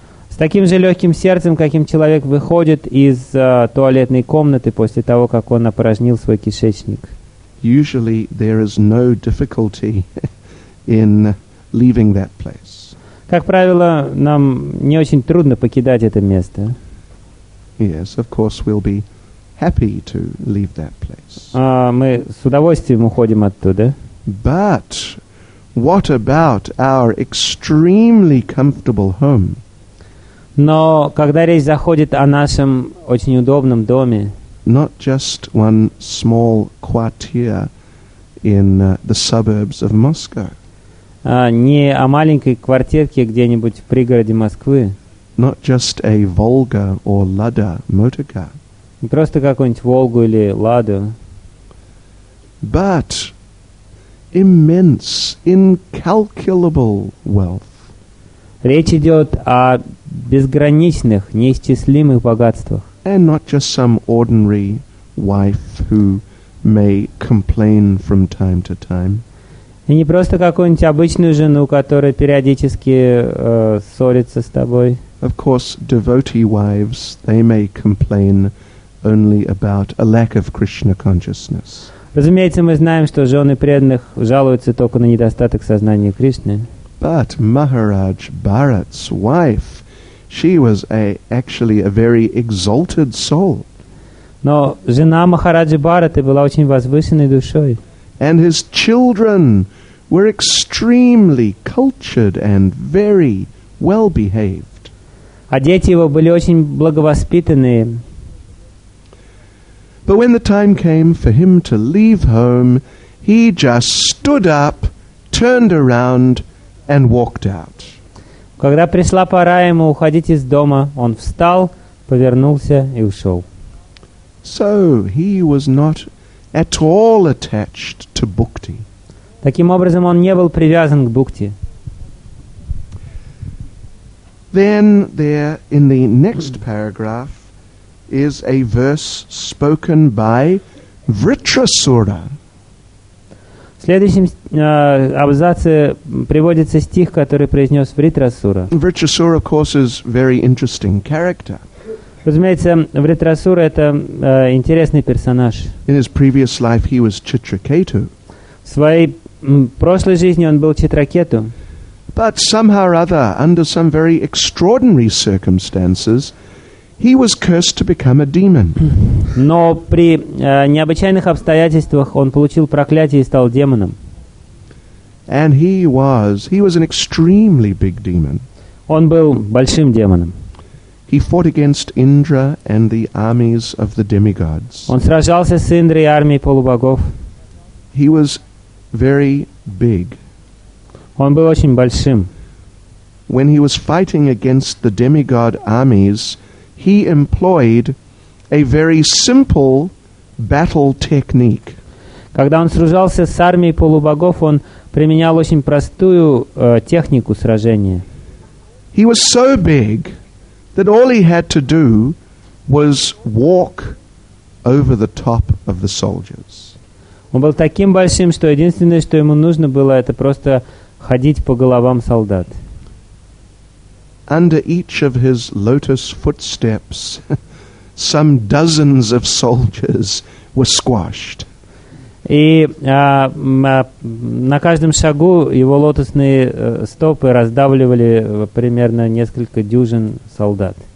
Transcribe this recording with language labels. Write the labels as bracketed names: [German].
[Russian] С таким же легким сердцем, каким человек выходит из туалетной комнаты после того, как он опорожнил свой кишечник. [English] Usually there is no difficulty in leaving that place. [Russian] Как правило, нам не очень трудно покидать это место. [English] Yes, of course we'll be happy to leave that place. [Russian] Мы с удовольствием уходим оттуда. [English] But what about our extremely comfortable home? [Russian] Но когда речь заходит о нашем очень удобном доме, [English] not just one small quartier in the suburbs of Moscow. [Russian] Не о маленькой квартирке где-нибудь в пригороде Москвы. [English] Not just a Volga or Lada motor car. [Russian] Не просто какую-нибудь Волгу или Ладу. [English] But immense, incalculable wealth. [Russian] Речь идет о безграничных, неисчислимых богатствах. [English] And not just some ordinary wife who may complain from time to time. [Russian] И не просто какую-нибудь обычную жену, которая периодически ссорится с тобой. [English] Of course, devotee wives, they may complain only about a lack of Krishna consciousness. [Russian] Разумеется, мы знаем, что жены преданных жалуются только на недостаток сознания Кришны. [English] But Maharaj Bharat's wife, she was actually a very exalted soul. [Russian] Но жена Махараджи Бхараты была очень возвышенной душой. [English] And his children were extremely cultured and very well behaved. [Russian] А дети его были очень благовоспитанные. [English] But when the time came for him to leave home, he just stood up, turned around, and walked out. [Russian] Когда пришла пора ему уходить из дома, он встал, повернулся и ушел. [English] So he was not at all attached to bhakti. [Russian] Таким образом, он не был привязан к бхакти. [English] Then there in the next paragraph is a verse spoken by Vritrasura. [Russian] В следующем абзаце приводится стих, который произнес Вритрасура. [English] Vritrasura, of course, is very interesting character. [Russian] Разумеется, Вритрасура – это интересный персонаж. [English] In his previous life, he was Chitraketu. [Russian] В своей прошлой жизни он был Читракету. [English] But somehow or other, under some very extraordinary circumstances, he was cursed to become a demon. [Russian] Но при необычайных обстоятельствах он получил проклятие и стал демоном. [English] And he was an extremely big demon. [Russian] Он был большим демоном. [English] He fought against Indra and the armies of the demigods. [Russian] Он сражался с Индрой и армией полубогов. [English] He was very big. [Russian] Он был очень большим. [English] When he was fighting against the demigod armies, he employed a very simple battle technique. [Russian] Когда он сражался с армией полубогов, он применял очень простую технику сражения. [English] He was so big that all he had to do was walk over the top of the soldiers. [Russian] Он был таким большим, что единственное, что ему нужно было, это просто ходить по головам солдат. [English] Under each of his lotus footsteps, some dozens of soldiers were squashed. [Russian] И на каждом шагу его лотосные стопы раздавливали примерно несколько дюжин солдат.